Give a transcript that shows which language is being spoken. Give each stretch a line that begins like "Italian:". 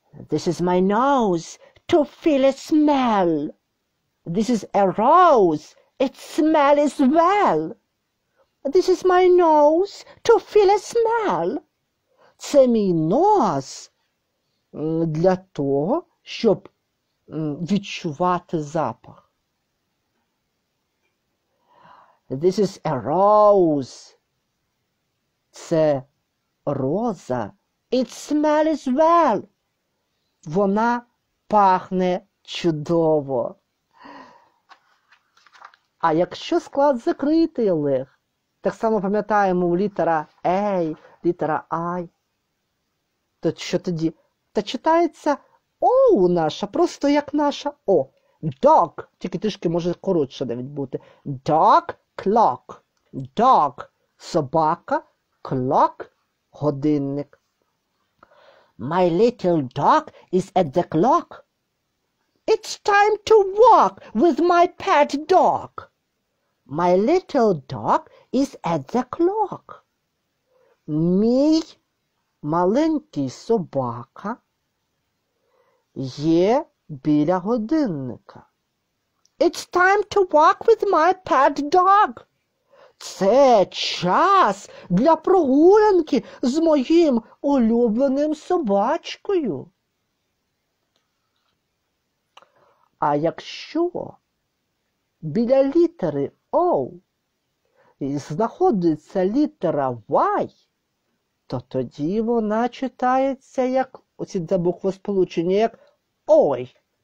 English: This is my nose to feel a smell. This is a rose. It smells well. This is my nose to feel a smell.
Ukrainian: Це мій нос для того, щоб відчувати запах.
English: This is a rose.
Ukrainian: Це роза.
English: It smells well.
Ukrainian: Вона пахне чудово. А якщо склад закритий, Олег? Так само пам'ятаємо у літера A, літера I. То що тоді? Та читається O наша, просто як наша O.
English: Dog.
Ukrainian: Тільки трішки може коротше навіть бути.
English: Dog, clock. Dog, собака. Clock, годинник. My little dog is at the clock. It's time to walk with my pet dog. My little dog is at the clock.
Ukrainian: Мій маленький собака є біля годинника.
English: It's time to walk with my pet dog.
Ukrainian: Це час для прогулянки з моїм улюбленим собачкою. А якщо біля літери O знаходиться літера Y, то тоді вона читається як оці два букви сполучення, як ой.